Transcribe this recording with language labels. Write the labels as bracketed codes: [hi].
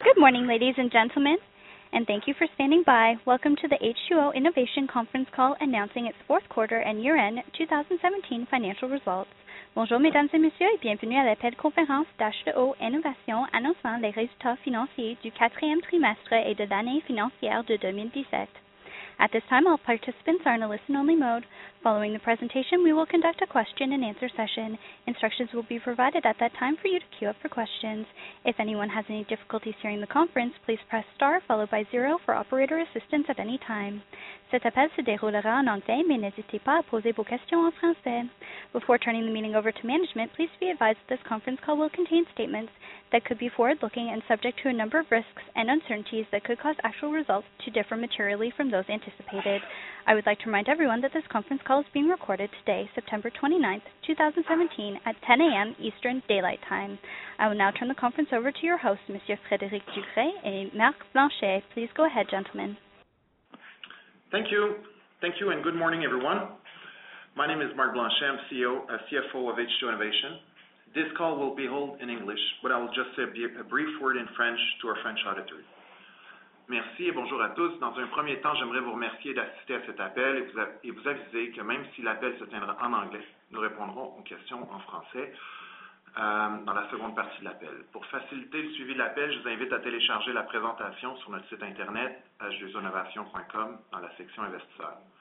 [en] Good morning, ladies and gentlemen, and thank you for standing by. Welcome to the H2O Innovation Conference Call announcing its fourth quarter and year-end 2017 financial results. [fr] Bonjour, mesdames et messieurs, et bienvenue à l'appel conférence d'H2O Innovation annonçant les résultats financiers du quatrième trimestre et de l'année financière de 2017. [en] At this time, all participants are in a listen-only mode. Following the presentation, we will conduct a question-and-answer session. Instructions will be provided at that time for you to queue up for questions. If anyone has any difficulties hearing the conference, please press star followed by zero for operator assistance at any time. [fr] Cet appel se déroulera en anglais, mais n'hésitez pas à poser vos questions en français. [en] Before turning the meeting over to management, please be advised that this conference call will contain statements that could be forward-looking and subject to a number of risks and uncertainties that could cause actual results to differ materially from those anticipated. I would like to remind everyone that this conference call is being recorded today, September 29th, 2017, at 10 a.m. Eastern Daylight Time. I will now turn the conference over to your hosts, Monsieur Frédéric Ducret and Marc Blanchet. Please go ahead, gentlemen. Thank you. Thank you, and good morning, everyone. My name is Marc Blanchet. I'm CFO of H2O Innovation. This call will be held in English, but I will just say a brief word in French to our French auditors. [fr] Merci et bonjour à tous. Dans un premier temps, j'aimerais vous remercier d'assister à cet appel et vous aviser que même si l'appel se tiendra en anglais, nous répondrons aux questions en français dans la seconde partie de l'appel. Pour faciliter le suivi de l'appel, je vous invite à télécharger la présentation sur notre site internet h2oinnovation.com dans la section investisseurs.